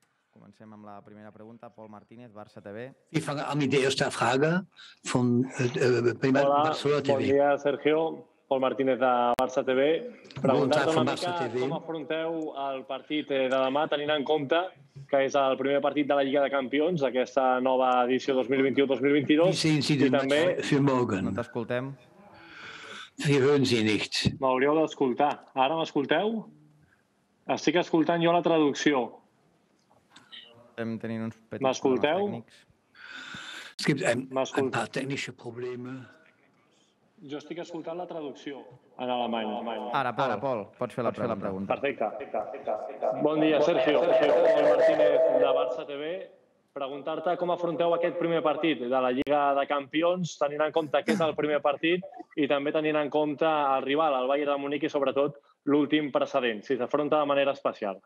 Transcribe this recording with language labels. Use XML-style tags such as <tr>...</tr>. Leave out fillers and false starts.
<ca>Comencem amb la primera pregunta, Pol Martínez, Barça TV.</ca> <de>Ich fange an mit der ersten Frage von Barça TV.</de> <ca>Bon dia, Sergio. Pol Martínez de Barça TV. Preguntant una mica com afronteu el partit de demà, tenint en compte que és el primer partit de la Lliga de Campions, aquesta nova edició 2021-2022. Sí, no t'escoltem.</ca> <de>Wir hören Sie nicht.</de> <ca>M'hauríeu d'escoltar. Ara m'escolteu? Estic escoltant jo la traducció. Estem tenint uns petits problemes tècnics.</ca> <de>Es gibt ein paar technische Probleme.</de> <ca>Jo estic escoltant la traducció en alemany. Ara, Pol, pots fer la pregunta. Perfecte. Bon dia, Sergio. Sergio Martínez, de Barça TV. Preguntar-te com afronteu aquest primer partit de la Lliga de Campions, tenint en compte que és el primer partit i també tenint en compte el rival, el Bayern de Múnich, i sobretot l'últim precedent, si s'afronta de manera especial.</ca>